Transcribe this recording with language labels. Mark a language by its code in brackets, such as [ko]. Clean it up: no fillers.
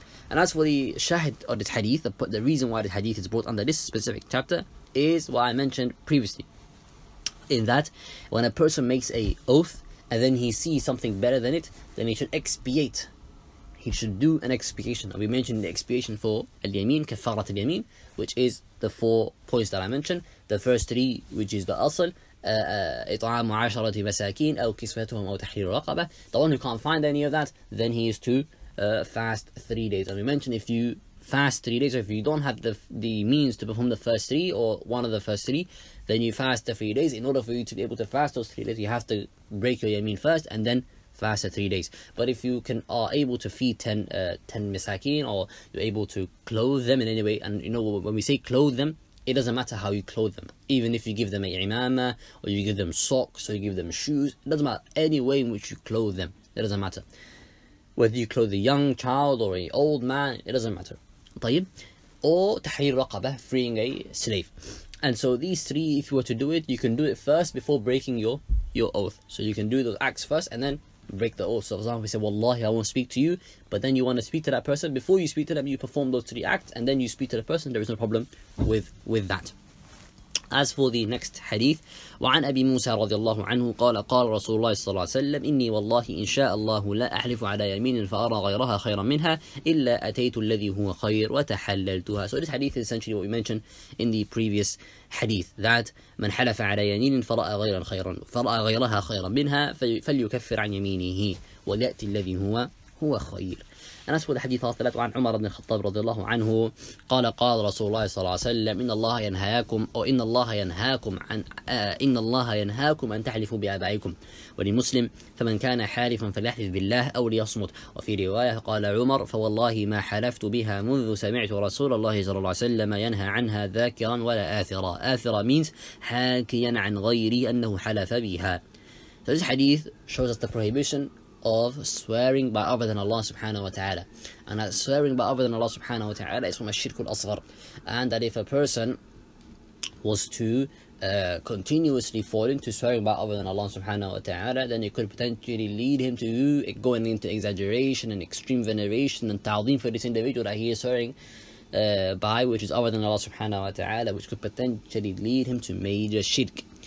[en] And as for the shahid or this hadith, the reason why this hadith is brought under this specific chapter is what I mentioned previously. In that, when a person makes an oath and then he sees something better than it, then he should expiate. He should do an expiation. And we mentioned the expiation for al-yameen, kafarat al-yameen, which is the four points that I mentioned. The first three, which is the asl, [ar] إطعام عشرة مساكين أو كسوتهم أو تحرير رقبة. [en] The one who can't find any of that, then he is to fast 3 days. And we mentioned if you fast 3 days, or if you don't have the means to perform the first three or one of the first three, then you fast the 3 days. In order for you to be able to fast those 3 days, you have to break your yameen first and then fast the 3 days. But if you are able to feed 10 misakeen, or you're able to clothe them in any way, and you know, when we say clothe them, it doesn't matter how you clothe them. Even if you give them a imama, or you give them socks, or you give them shoes, it doesn't matter. Any way in which you clothe them, it doesn't matter. Whether you clothe a young child or an old man, it doesn't matter. طيب. Or [ar] تحرير رقبة, [en] freeing a slave. And so these three, if you were to do it, you can do it first before breaking your oath. So you can do those acts first and then break the oath. So for example, you say, Wallahi, I won't speak to you, but then you want to speak to that person. Before you speak to them, you perform those three acts, and then you speak to the person, there is no problem with that. As for the next hadith, [ar] وعن أبي موسى رضي الله عنه قال قال رسول الله صلى الله عليه وسلم إني والله إن شاء الله لا أحلف على يمين فأرى غيرها خيرا منها إلا أتيت الذي هو خير وتحللتها. [en] So this hadith is essentially what we mentioned in the previous hadith, that [ar] من حلف على يمين فرأى غيرا خيرا فرأى غيرها خيرا منها فليكفر عن يمينه وليأتي الذي هو خير. [en] And as for the hadith after that, [ar] عن عمر بن الخطاب رضي الله عنه قال قال رسول الله صلى الله عليه وسلم إن الله ينهاكم أو إن الله ينهاكم عن إن الله ينهاكم أن تحلفوا بآبائكم ولمسلم فمن كان حالفا فليحلف بالله أو ليصمت. وفي رواية قال عمر فوالله ما حلفت بها منذ سمعت رسول الله صلى الله عليه وسلم ينهى عنها ذاكرا ولا آثرا. آثرا [en] means [ar] حاكيا عن غيري أنه حلف بها. [en] So this hadith shows us the prohibition of swearing by other than Allah subhanahu wa ta'ala, and that swearing by other than Allah subhanahu wa ta'ala is from a shirk al-asghar, and that if a person was to continuously fall into swearing by other than Allah subhanahu wa ta'ala, then it could potentially lead him to going into exaggeration and extreme veneration and ta'zim for this individual that he is swearing by, which is other than Allah subhanahu wa ta'ala, which could potentially lead him to major shirk.